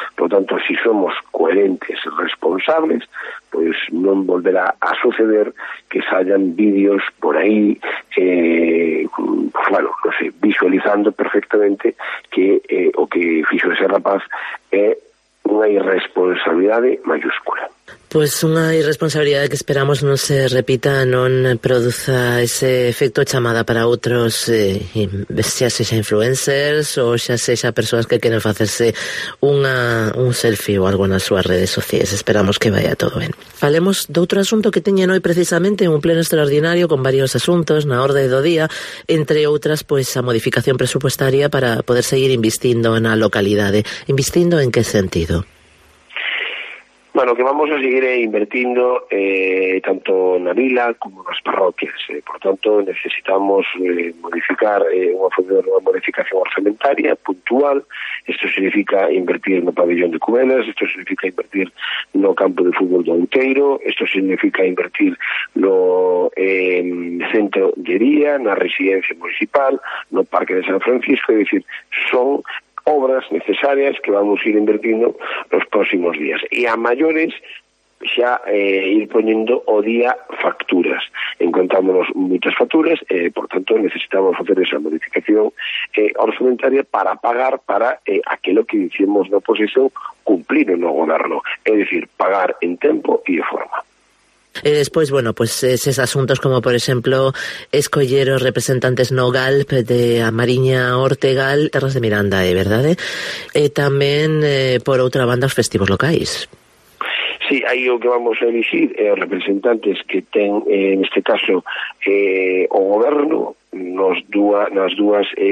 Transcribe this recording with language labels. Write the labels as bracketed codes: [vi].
[gl] Por tanto, si somos coherentes, responsables, pois non volverá a suceder que saian vídeos por aí, bueno, non sei, visualizando perfectamente que o que fixo ese rapaz é unha irresponsabilidade mayúscula. Pues unha irresponsabilidade que esperamos non se repita, non produza ese efecto chamada para outros, xa sexa influencers ou xa sexa persoas que queren facerse un selfie ou algo nas súas redes sociais. Esperamos que vaya todo ben. Falemos de outro asunto que teñen hoy precisamente un pleno extraordinario con varios asuntos na orde do día, entre outras pues a modificación presupuestaria para poder seguir investindo na localidade. ¿Investindo en que sentido? Bueno, que vamos a seguir invertindo tanto na vila como nas parroquias. Por tanto, necesitamos modificar unha modificación orzamentaria puntual. Isto significa invertir no pabellón de Cubelas, isto significa invertir no campo de fútbol do Outeiro, isto significa invertir no centro de día, na residencia municipal, no parque de San Francisco. [es] Es decir, son obras necesarias que vamos a ir invirtiendo los próximos días. Y a mayores, [gl] xa ir poñendo o día facturas. Encontrámonos moitas facturas, por tanto, necesitamos facer esa modificación orzamentaria para pagar para aquilo que dicimos na oposición, cumplir o no goberno. É dicir, pagar en tempo e de forma. [es] Después, bueno, pues esos asuntos como, por ejemplo, Escolleros, representantes no GALP de Amariña, Ortegal, Terras de Miranda, ¿verdad? [gl] También, por otra banda, os festivos locais. Sí, aí o que vamos a elixir representantes que ten, en este caso, o goberno, nas dúas